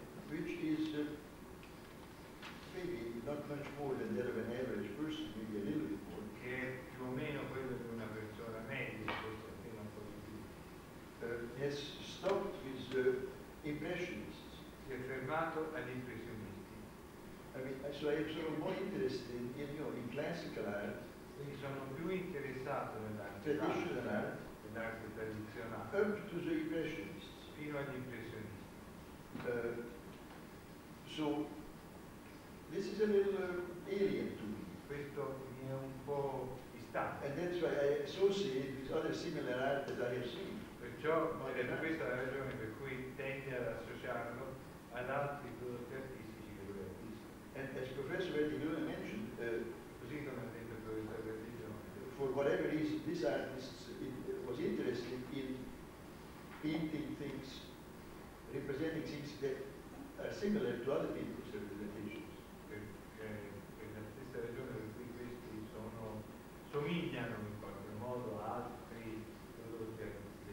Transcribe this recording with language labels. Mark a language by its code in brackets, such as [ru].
[en] which is maybe not much more than that of an average person, maybe a little bit more. [it] Che è più o meno quello di una persona media, forse appena un po' di più. [en] Has stopped with impressionists. [it] Si è fermato agli impressionisti. [en] I mean, so I [it] sono [en] more interested in, you know, in classical art. [it] Quindi sono più interessato nell'arte [en] traditional art, [it] nell'arte tradizionale. [en] Up to the impressionists. [it] Fino agli impressionisti. [en] So this is a little alien to me. [it] Questo mi è un po' distante. [en] And that's why I associate with other similar art that I have seen. [it] Perciò ed è questa la ragione per cui tende ad associarlo ad altri prodotti artistici che lui ha visto. [en] And as Professor Verdiglione mentioned, [it] così come ha detto il professor Verdiglione, [en] for whatever reason this artist was interested in painting things, representing things that are similar to other people's representations. [it] Per la stessa ragione per cui questi somigliano in qualche modo a altri prodotti artistici.